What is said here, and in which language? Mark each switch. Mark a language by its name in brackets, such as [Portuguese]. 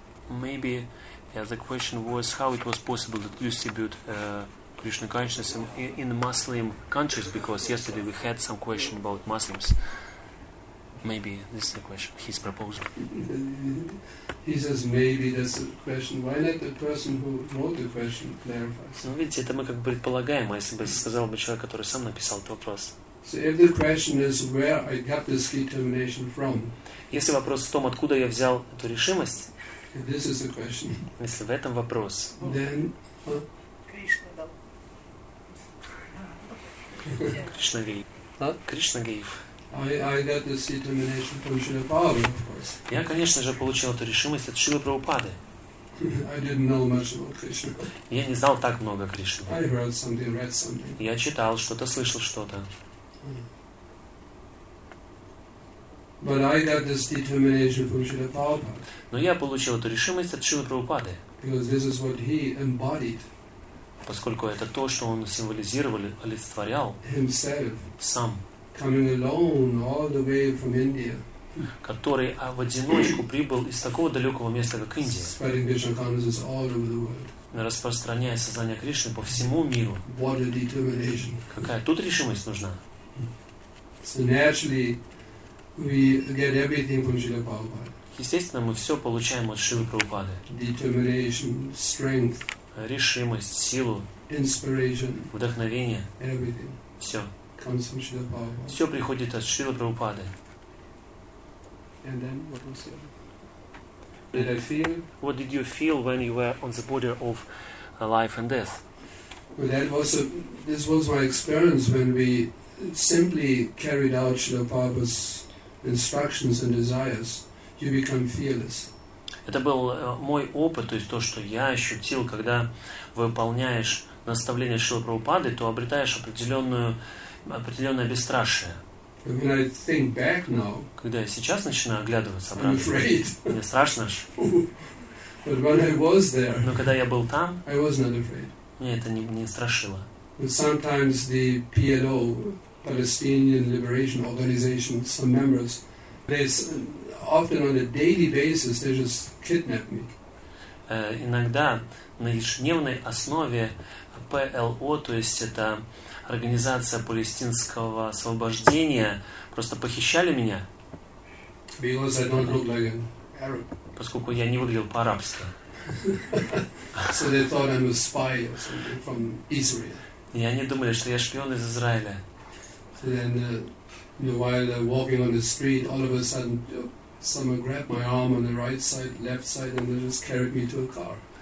[English] Maybe the question was how it was possible to distribute Krishna consciousness in Muslim countries, because yesterday we had some question about Muslims. Maybe this is the question, his proposal. He says maybe that's the question. Why not the person who wrote the question clarify? [Russian] Ну, видите, это мы как бы предполагаем, а если бы сказал бы человек, который сам написал этот вопрос. [English] So if the question is where I got this determination from. [Russian] Если вопрос в том, откуда я взял эту решимость. [English] If this is the question. [Russian] Если в этом вопрос. [English] Then, [Russian] Кришна дал. [English] Krishna gave. Huh? Krishna gave. I got this determination from Srila Prabhupada, of course. [Russian] Я, конечно же, получил эту решимость от Шрилы Прабхупады. [English] I didn't know much about Krishna. [Russian] Я не знал так много Кришны. [English] I heard something, read something. [Russian] Я читал что-то, слышал что-то. [English] But I got this determination from Srila Prabhupada. [Russian] Но я получил эту решимость от Шрилы Прабхупады. [English] Because this is what he embodied. [Russian] Поскольку это то, что он символизировал, олицетворял [English] himself, [Russian] сам, [English] coming alone all the way from India, [Russian] который в одиночку прибыл из такого далекого места, как Индия, [English] spreading Krishna consciousness all over the world, [Russian] распространяя сознание Кришны по всему миру. [English] What a determination. [Russian] Какая тут решимость нужна? [English] So naturally, we get everything from Srila Prabhupada. [Russian] Естественно, мы все получаем от Шрилы Прабхупады. [English] Determination, strength, [Russian] решимость, силу, [English] inspiration, [Russian] вдохновение, [English] everything. [Russian] Все. [English] Comes from Srila Prabhupada. [Russian] Все приходит от Шрилы Прабхупады. [English] And then what was the other? Did I feel? What did you feel when you were on the border of life and death? Well, that was a, this was my experience when we simply carried out Srila Prabhupada's instructions and desires, you become fearless. [Russian] Это был мой опыт, то есть то, что я ощутил, когда выполняешь наставления Шрилы Прабхупады, то обретаешь определенное бесстрашие. [English] When I think back now, [Russian] когда я сейчас начинаю оглядываться обратно, мне страшно ж. [English] But when I was there, [Russian] но когда я был там, [English] I was not afraid. [Russian] Мне это не страшило. [English] But sometimes the PLO, Palestinian Liberation Organization, some members, often on a daily basis, they just kidnap me. [Russian] Иногда на ежедневной основе ПЛО, то есть это организация палестинского освобождения, просто похищали меня. [English] Because I don't look like an Arab. [Russian] Поскольку я не выглядел по-арабски. [English] So they thought I'm a spy or something from Israel. [Russian] И они думали, что я шпион из Израиля. [English] So then, while they're walking on the street, all of a sudden, someone grabbed my arm on the right side, left side, and they just carried me to a car.